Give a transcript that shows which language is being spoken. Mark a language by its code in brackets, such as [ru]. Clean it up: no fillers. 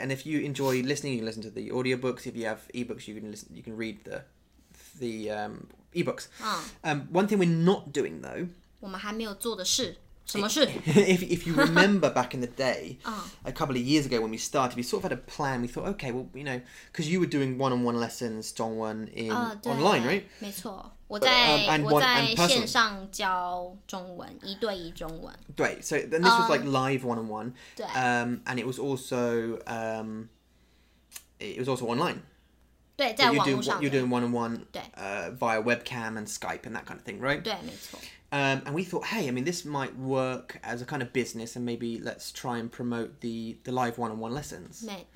[en] And if you enjoy listening, you can listen to the audiobooks. If you have e-books, you can listen, you can read the e-books. One thing we're not doing, though... [zh] 我们还没有做的事。 [en] If you remember back in the day, a couple of years ago when we started, we sort of had a plan. We thought, okay, well, you know, because you were doing one-on-one lessons, Zhongwen, in online, right? [zh] 没错，我在我在线上教中文，一对一中文。 [en] 对 ，so then this was like live one-on-one. And it was also online. [zh] 对，在网络上的。 [en] You're doing one-on-one. [zh] 对。 [en] Via webcam and Skype and that kind of thing, right? [zh] 对，没错。 [en] And we thought, hey, I mean, this might work as a kind of business, and maybe let's try and promote the live one-on-one lessons.